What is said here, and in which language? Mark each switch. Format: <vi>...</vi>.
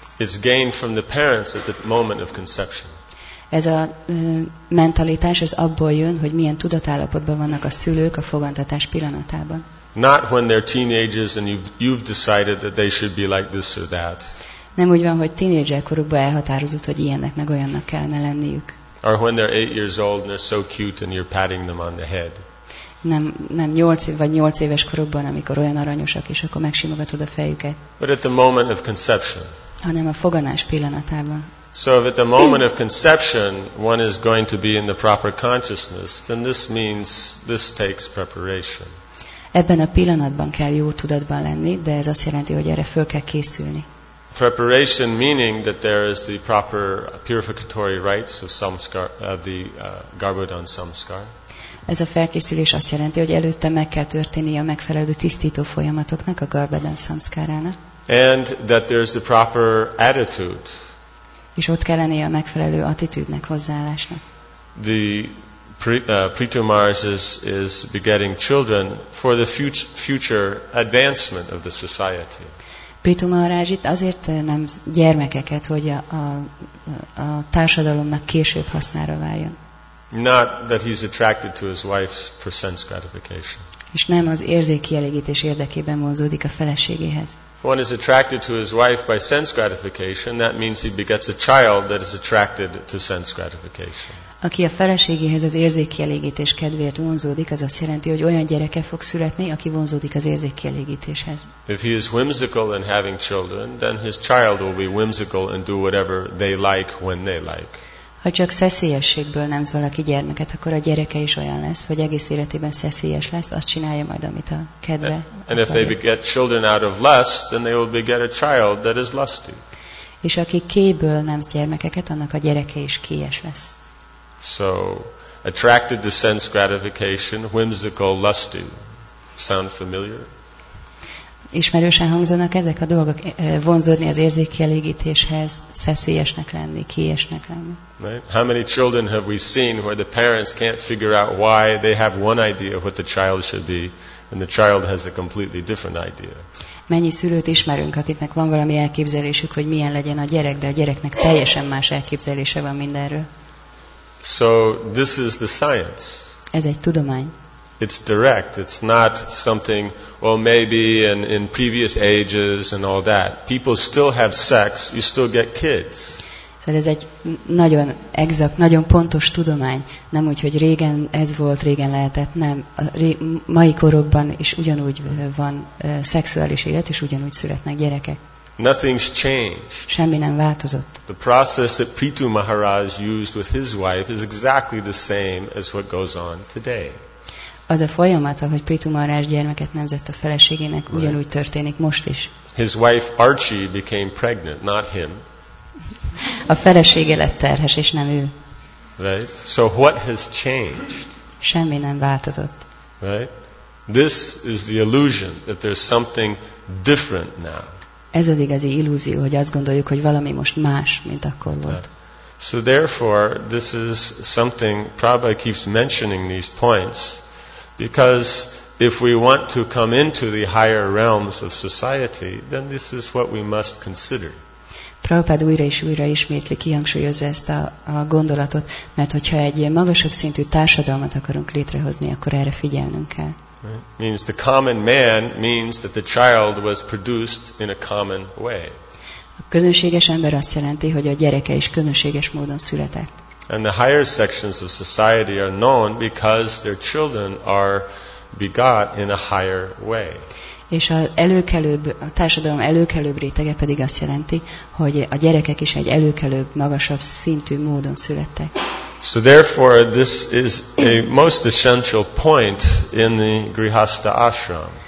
<en>It's gained from the parents at the moment of conception.</en> <hu>Ez a mentalitás, ez abból jön, hogy milyen tudatállapotban vannak a szülők a fogantatás pillanatában.</hu> <en>Not when they're teenagers and you've decided that they should be like this or that.</en> <hu>Nem úgy van, hogy tínédzserkorukban elhatározott, hogy ilyennek meg olyannak kellene lenniük.</hu> <en>Or when they're 8 years old and they're so cute and you're patting them on the head.</en> <hu>Nem 8 év vagy 8 éves korukban, amikor olyan aranyosak, és akkor megsimogatod a fejüket.</hu> <en>But at the moment of conception.</en> <hu>Hanem a foganás pillanatában.</hu> <en>So if at the moment of conception one is going to be in the proper consciousness, then this means this takes preparation.</en> <hu>Ebben a pillanatban kell jó tudatban lenni, de ez azt jelenti, hogy erre föl kell készülni.</hu> <en>Preparation meaning that there is the proper purificatory rites of samskara, of the Garbhodan samskara.</en> <hu>Ez a felkészülés azt jelenti, hogy előtte meg kell történnie a megfelelő tisztító folyamatoknak, a Garbhodan samskarának.</hu> <en>And that there is the proper attitude.</en> <hu>És ott kell lennie a megfelelő attitűdnek, hozzáállásnak.</hu> <en>The Preetomars is begetting children for the future advancement of the society.</en> <hu>Preetomaharaj itt azért nem gyermekeket, hogy a társadalomnak később hasznára váljon.</hu> <en>Not that he's attracted to his wife for sense gratification.</en> <hu>És nem az érzékkielégítés érdekében vonzódik a feleségéhez.</hu> <en>If one is attracted to his wife by sense gratification, that means he begets a child that is attracted to sense gratification.</en> <hu>Aki a feleségéhez az érzékkielégítés kedvéért vonzódik, az azt jelenti, hogy olyan gyereke fog születni, aki vonzódik az érzékkielégítéshez.</hu> <en>If he is whimsical in having children, then his child will be whimsical and do whatever they like when they like.</en> <hu>Ha csak szeszélyességből nemz valaki gyermeket, akkor a gyereke is olyan lesz, hogy egész életében szeszélyes lesz, azt csinálja majd, amit a kedve.</hu> <en>And if they beget children out of lust, then they will beget a child that is lusty.</en> <hu>És aki kéből nemz gyermekeket, annak a gyereke is kéjes lesz.</hu> <en>So, attracted to sense gratification, whimsical, lusty. Sound familiar?</en> <hu>Ismerősen hangzanak ezek a dolgok, vonzódni az érzékkielégítéshez, szeszélyesnek lenni, kiesnek lenni.</hu> <en>Right? How many children have we seen where the parents can't figure out why they have one idea what the child should be, and the child has a completely different idea?</en> <hu>Mennyi szülőt ismerünk, akiknek van valami elképzelésük, hogy milyen legyen a gyerek, de a gyereknek teljesen más elképzelése van mindenről.</hu> <en>So this is the science.</en> <hu>Ez egy tudomány.</hu> <en>It's direct. It's not something, well, maybe in previous ages and all that. People still have sex, you still get kids.</en> <hu>Szóval ez egy nagyon exakt, nagyon pontos tudomány. Nem úgy, hogy régen ez volt, régen lehetett, nem. Mai korokban is ugyanúgy van szexuális élet, és ugyanúgy születnek gyerekek.</hu> <en>Nothing's changed.</en> <hu>Semmi nem változott.</hu> <en>The process that Preetu Maharaj used with his wife is exactly the same as what goes on today.</en> <hu>Az a folyamat, ahogy Preetu Maharaj gyermeket nemzett a feleségének, right, ugyanúgy történik most is.</hu> <en>His wife Archie became pregnant, not him.</en> <hu>A felesége lett terhes, és nem ő.</hu> <en>Right? So what has changed?</en> <hu>Semmi nem változott.</hu> <en>Right? This is the illusion that there's something different now.</en> <hu>Ez az igazi illúzió, hogy azt gondoljuk, hogy valami most más, mint akkor volt.</hu> <en>Yeah. So therefore, this is something Prabhupada keeps mentioning these points, because if we want to come into the higher realms of society, then this is what we must consider.</en> <hu>Prabhupada újra és újra ismétli, kihangsúlyozza ezt a gondolatot, mert hogyha egy magasabb szintű társadalmat akarunk létrehozni, akkor erre figyelnünk kell.</hu> <en>Right. Means the common man means that the child was produced in a common way.</en> <hu>A közönséges ember azt jelenti, hogy a gyereke is közönséges módon született.</hu> <en>And the higher sections of society are known because their children are begot in a higher way.</en> <hu>És a társadalom előkelőbb rétege pedig azt jelenti, hogy a gyerekek is egy előkelőbb, magasabb szintű módon születtek.</hu> <en>So therefore, this is a most essential point in the Grihastha ashram.</en>